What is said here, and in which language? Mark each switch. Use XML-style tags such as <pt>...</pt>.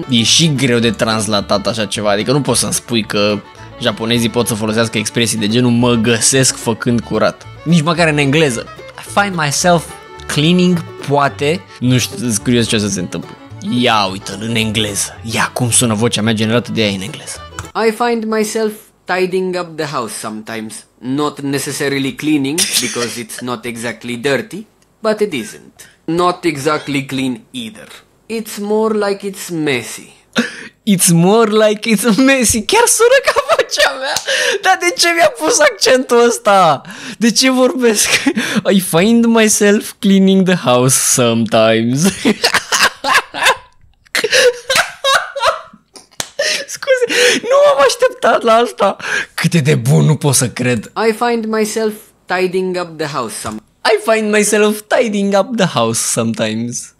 <ro>E și greu de translatat așa ceva, adică nu poți să-mi spui că... Japonezii pot să folosească expresii de genul mă găsesc făcând curat. Nici măcar în engleză.</ro> <en>I find myself cleaning,</en> <ro>poate. Nu știu, sunt curios ce o să se întâmple. Ia uite-l în engleză. Ia cum sună vocea mea generată de aia în engleză.</ro> <en>I find myself tidying up the house sometimes. Not necessarily cleaning, because it's not exactly dirty, but it isn't. Not exactly clean either. It's more like it's messy. It's more like it's messy.</en> <ro>Chiar sună ca vocea mea. Dar de ce mi-a pus accentul ăsta? De ce vorbesc?</ro> <en>I find myself cleaning the house sometimes.</en> <ro>Scuze, nu m-am așteptat la asta. Cât de bun, nu pot să cred.</ro> <en>I find myself tidying up the house sometimes. I find myself tidying up the house sometimes.</en>